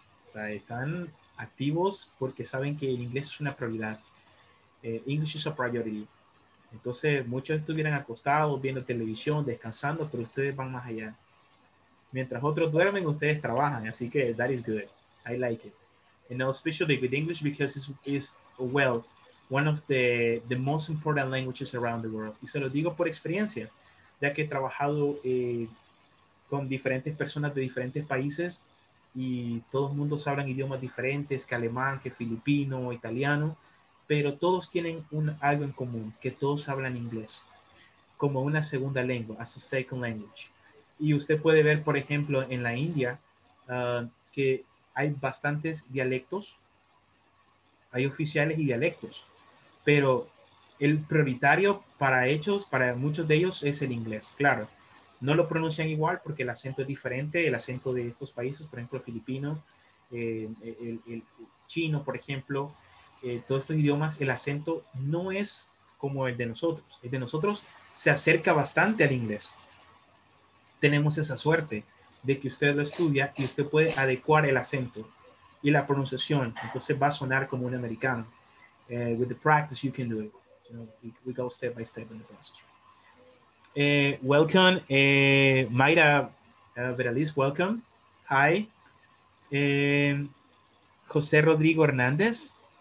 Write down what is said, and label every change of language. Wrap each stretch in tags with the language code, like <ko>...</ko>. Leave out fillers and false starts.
<es>O sea, están activos porque saben que el inglés es una prioridad.</es> <en>English is a priority.</en> <es>Entonces, muchos estuvieran acostados, viendo televisión, descansando, pero ustedes van más allá. Mientras otros duermen, ustedes trabajan. Así que</es> <en>that is good. I like it. And now, especially with English, because it's well... One of the most important languages around the world.</en> <es>Y se lo digo por experiencia, ya que he trabajado con diferentes personas de diferentes países y todos los mundos hablan idiomas diferentes, que alemán, que filipino, italiano, pero todos tienen algo en común, que todos hablan inglés como una segunda lengua,</es> <en>as a second language.</en> <es>Y usted puede ver, por ejemplo, en la India, que hay bastantes dialectos, hay oficiales y dialectos. Pero el prioritario para muchos de ellos es el inglés. Claro, no lo pronuncian igual porque el acento es diferente, el acento de estos países, por ejemplo, filipino, el chino, por ejemplo, todos estos idiomas, el acento no es como el de nosotros. El de nosotros se acerca bastante al inglés. Tenemos esa suerte de que usted lo estudia y usted puede adecuar el acento y la pronunciación. Entonces va a sonar como un americano.</es> <en>With the practice, you can do it. So we go step by step in the process. Welcome, Mayra Veraliz, welcome. Hi. José Rodrigo Hernández.</en>